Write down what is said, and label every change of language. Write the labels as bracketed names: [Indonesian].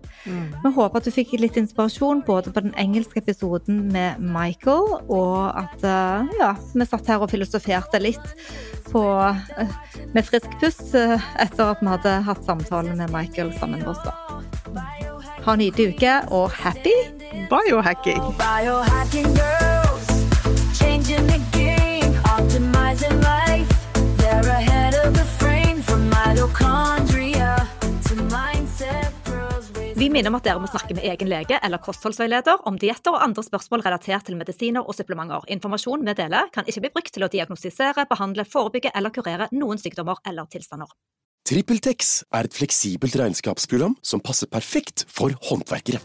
[Norwegian] Mm. Vi håper at du fikk litt inspirasjon både på den engelske episoden med Michael, og at ja, vi satt her og filosoferte litt på, med frisk puss etter at vi hadde hatt samtalen med Michael sammen med oss da. Ha en nydelig uke, og [English] happy biohacking! Biohacking girls, changing the game, optimizing life. They're ahead of the frame from mitochondria to mindset. [Norwegian] Vi minner om at dere må snakke med egen lege eller kostholdsveileder om dietter og andre spørsmål relatert til medisiner og supplementer. Informasjon med dele kan ikke bli brukt til å diagnostisere, behandle, forebygge eller kurere noen sykdommer eller tilstander. TrippelTex et fleksibelt regnskapsprogram som passer perfekt for håndverkere.